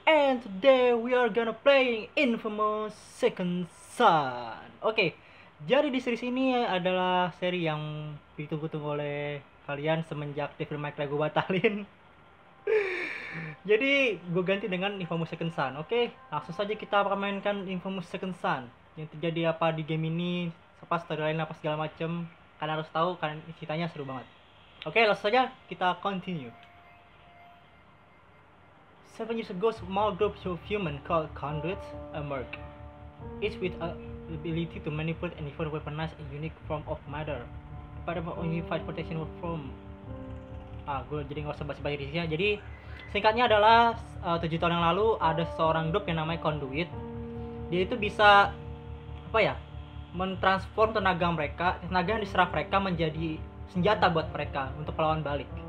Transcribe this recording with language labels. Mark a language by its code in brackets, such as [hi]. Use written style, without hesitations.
[en] And today we are gonna playing Infamous Second Son. [id] Oke, jadi di series ini adalah seri yang ditunggu-tunggu oleh kalian semenjak di film Mike gue batalin. Jadi gue ganti dengan Infamous Second Son. Oke, langsung saja kita permainkan Infamous Second Son. Yang terjadi apa di game ini, apa storyline apa segala macem, kalian harus tahu kan, ceritanya seru banget. Oke, langsung saja kita continue. [en] 7 years ago, a small group of human called Conduits emerged. Each with the ability to manipulate and even weaponize a unique form of matter. But the unified protection was from... [id] gue jadi gak usah basi-basi di sini. Jadi, singkatnya adalah 7 tahun yang lalu ada seorang grup yang namanya Conduit. Dia itu bisa, apa ya, mentransform tenaga mereka, tenaga yang diserap mereka menjadi senjata buat mereka untuk melawan balik.